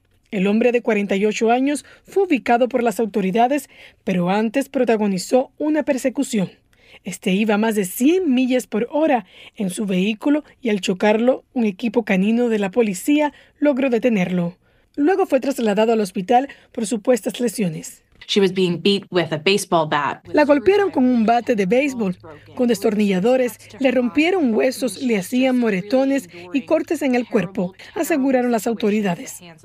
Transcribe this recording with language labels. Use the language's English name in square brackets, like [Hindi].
[Spanish] El hombre de 48 años fue ubicado por las autoridades, pero antes protagonizó una persecución. Este iba a más de 100 millas por hora en su vehículo y al chocarlo, un equipo canino de la policía logró detenerlo. Luego fue trasladado al hospital por supuestas lesiones. [English] She was being beat with a baseball bat. [Spanish] La golpearon con un bate de béisbol, con destornilladores, le rompieron huesos, le hacían moretones y cortes en el cuerpo, aseguraron las autoridades.